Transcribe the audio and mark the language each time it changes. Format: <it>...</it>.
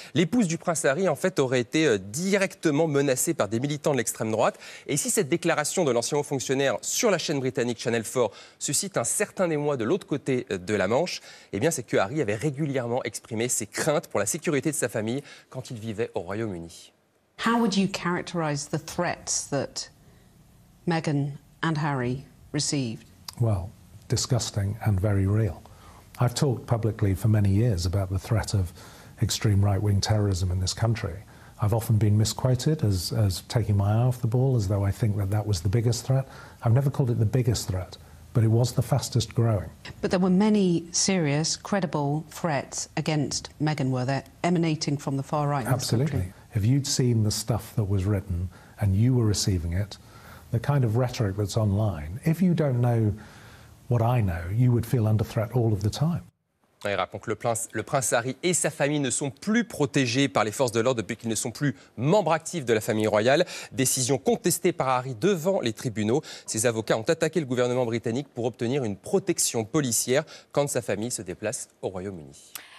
<fr>L'épouse du prince Harry, en fait, aurait été directement menacée par des militants de l'extrême droite. Et si cette déclaration de l'ancien haut fonctionnaire sur la chaîne britannique Channel 4 suscite un certain émoi de l'autre côté de la Manche, eh bien, c'est que Harry avait régulièrement exprimé ses craintes pour la sécurité de sa famille quand il vivait au Royaume-Uni.</fr> <en>How would you characterize the threats that Meghan and Harry received? Well, disgusting and very real. I've talked publicly for many years about the threat of extreme right-wing terrorism in this country. I've often been misquoted as taking my eye off the ball, as though I think that was the biggest threat. I've never called it the biggest threat, but it was the fastest growing. But there were many serious, credible threats against Meghan, were there, emanating from the far right? Absolutely. If you'd seen the stuff that was written and you were receiving it, the kind of rhetoric that's online, if you don't know what I know, you would feel under threat all of the time.</en> <fr>Il raconte que le prince Harry et sa famille ne sont plus protégés par les forces de l'ordre depuis qu'ils ne sont plus membres actifs de la famille royale. Décision contestée par Harry devant les tribunaux. Ses avocats ont attaqué le gouvernement britannique pour obtenir une protection policière quand sa famille se déplace au Royaume-Uni.</fr>